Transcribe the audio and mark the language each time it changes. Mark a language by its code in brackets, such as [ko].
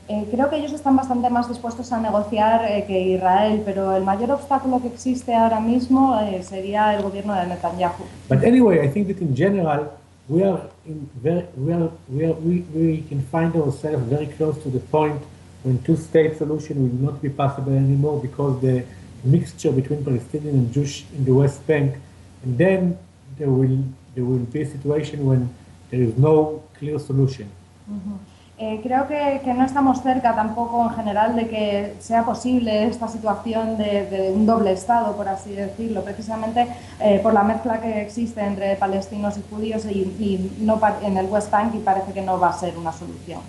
[es] Creo que ellos están bastante más dispuestos a negociar que Israel, pero el mayor obstáculo que existe ahora mismo sería el gobierno de Netanyahu. [en] But anyway, I think that in general we can find ourselves very close to the point when two-state solution will not be possible anymore because the mixture between Palestinian and Jewish in the West Bank, and then there will be a situation when there is no clear solution. Uh-huh. [es] Creo que no estamos cerca tampoco en general de que sea posible esta situación de un doble estado, por así decirlo, precisamente por la mezcla que existe entre palestinos y judíos en el West Bank, y parece que no va a ser una solución.